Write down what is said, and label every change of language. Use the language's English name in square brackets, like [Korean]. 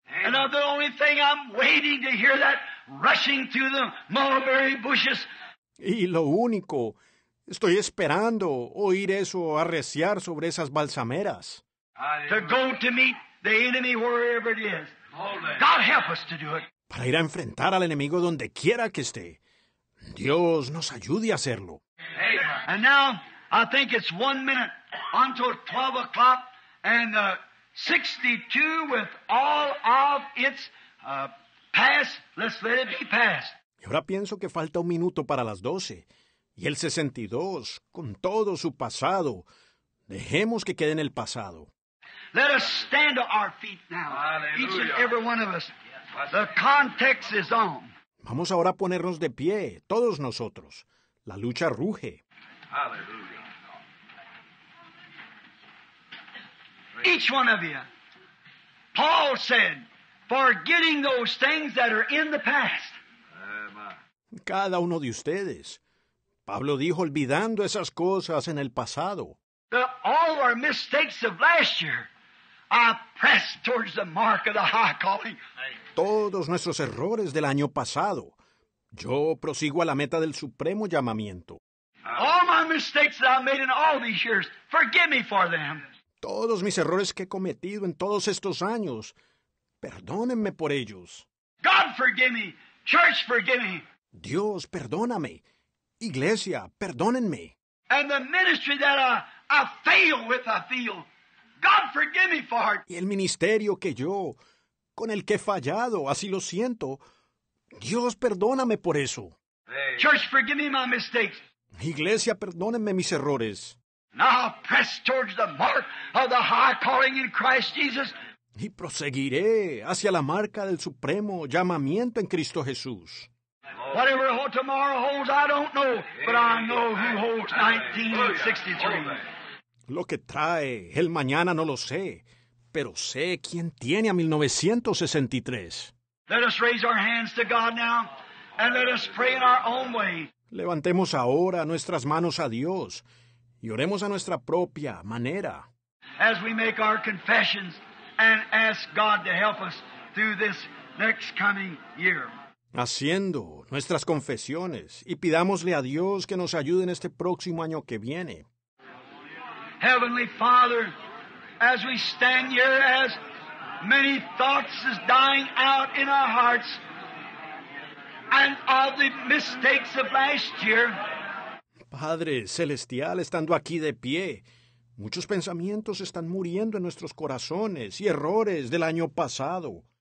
[English] And now the only thing I'm waiting to hear that rushing through the mulberry bushes. [Spanish] Y lo único, estoy esperando oír eso arreciar sobre esas balsameras. [English] To go to meet the enemy wherever it is. God help us to do it. [Spanish] Para ir a enfrentar al enemigo donde quiera que esté. Dios nos ayude a hacerlo. [English] And now, I think it's 1 minute until 12 o'clock and 62 with all of its past. Let's let it be past. [Spanish] Y ahora pienso que falta 1 minuto para las 12. Y el 62, con todo su pasado, dejemos que quede en el pasado. [English] Let us stand to our feet now. Hallelujah. Each and every one of us. The context is on. [Spanish] Vamos ahora a ponernos de pie, todos nosotros. La lucha ruge. [English] Hallelujah. Each one of you. Paul said, forgetting those things that are in the past. [Spanish] Cada uno de ustedes. Pablo dijo, olvidando esas cosas en el pasado. [English] All our mistakes of last year, I press towards the mark of the high calling. [Spanish] Todos nuestros errores del año pasado, yo prosigo a la meta del supremo llamamiento. [English] All my mistakes that I made in all these years, forgive me for them. [Spanish] Todos mis errores que he cometido en todos estos años, perdónenme por ellos. [English] God forgive me. Church forgive me. [Spanish] Dios, perdóname. Iglesia, perdónenme. [English] And the ministry that I fail with, I feel. God forgive me for it. [Spanish] Y el ministerio que yo, con el que he fallado, así lo siento. Dios, perdóname por eso. [English] Church, forgive me my mistakes. [Spanish] Iglesia, perdónenme mis errores. [English] Now press towards the mark of the high calling in Christ Jesus. [Spanish] Y proseguiré hacia la marca del supremo llamamiento en Cristo Jesús. [English] Whatever tomorrow holds, I don't know, but I know who holds 1963. [Spanish] Lo que trae el mañana no lo sé, pero sé quién tiene a 1963. [English] Let us raise our hands to God now, and let us pray in our own way. [Spanish] Levantemos ahora nuestras manos a Dios y oremos a nuestra propia manera. [English] As we make our confessions and ask God to help us through this next coming year. [Spanish] Haciendo nuestras confesiones y pidámosle a Dios que nos ayude en este próximo año que viene. [English] Heavenly Father, as we stand here, as many thoughts is dying out in our hearts, and all the mistakes of last year. [Spanish] Padre celestial, estando aquí de pie, muchos pensamientos están muriendo en nuestros corazones y errores del año pasado.